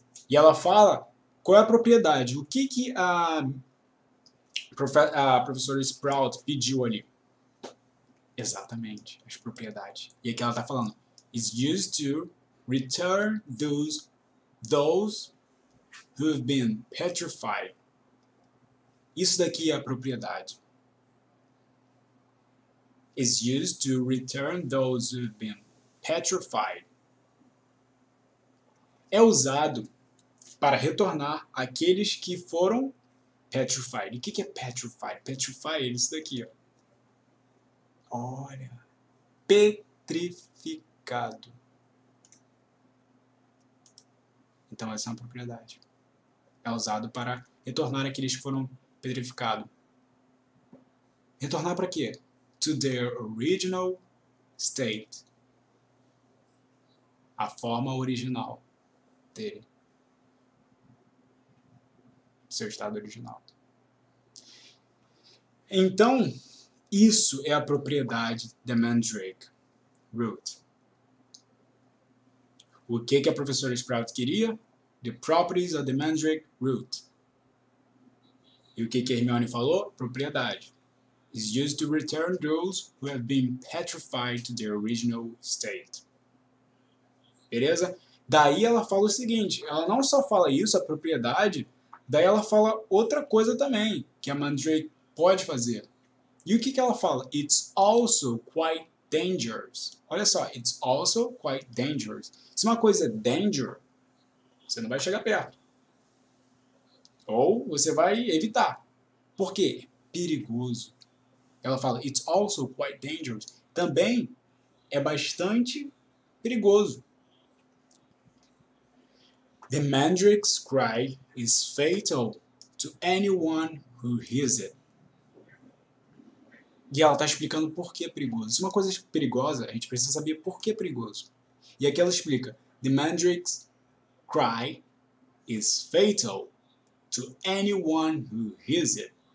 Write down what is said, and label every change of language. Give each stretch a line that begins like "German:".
Portuguese: E ela fala qual é a propriedade. O que, que a professora Sprout pediu ali? Exatamente, as propriedades. E aqui ela está falando.
English: It's used to return those who have been petrified.
Portuguese: Isso daqui é a propriedade.
English: It's used to return those who have been petrified.
Portuguese: É usado para retornar aqueles que foram petrified. E o que é petrified? Petrified é isso daqui. Ó. Olha. Petrificado. Então, essa é uma propriedade. É usado para retornar aqueles que foram petrificados. Retornar para quê?
English: to their original state.
Portuguese: A forma original dele. Seu estado original. Então, isso é a propriedade de Mandrake Root. O que que a professora Sprout queria?
English: The properties of the Mandrake Root.
Portuguese: E o que que a Hermione falou? Propriedade.
English: It's used to return those who have been petrified to their original state.
Portuguese: Beleza? Daí ela fala o seguinte, ela não só fala isso, a propriedade, daí ela fala outra coisa também, que a Mandrake pode fazer. E o que que ela fala?
English: It's also quite dangerous.
Portuguese: Olha só,
English: it's also quite dangerous.
Portuguese: Se uma coisa é danger, você não vai chegar perto. Ou você vai evitar. Por quê? Perigoso. Ela fala,
English: it's also quite dangerous.
Portuguese: Também é bastante perigoso.
English: The Mandrake's cry is fatal to anyone who hears it.
Portuguese: E ela está explicando por que é perigoso. Se uma coisa é perigosa, a gente precisa saber por que é perigoso. E aqui ela explica.
English: The Mandrake's cry is fatal to anyone who hears it.